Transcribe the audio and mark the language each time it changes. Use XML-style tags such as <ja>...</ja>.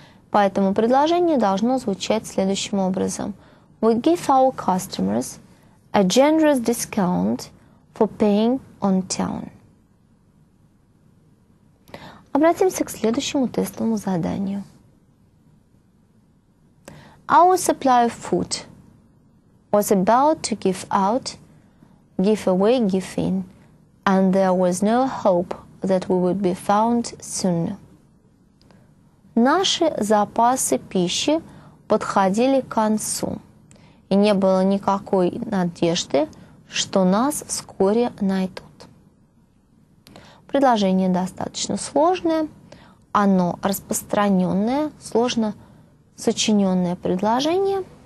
<ru>Поэтому предложение должно звучать следующим образом.</ru> <en>We give our customers a generous discount for paying on time.</en> <ru>Обратимся к следующему тестовому заданию.</ru> <en>Our supply of food was about to give out, give away, give in. And there was no hope that we would be found soon.</en> <ru>Наши запасы пищи подходили к концу, и не было никакой надежды, что нас вскоре найдут. Предложение достаточно сложное, оно распространенное, сложно сочиненное предложение.</ru>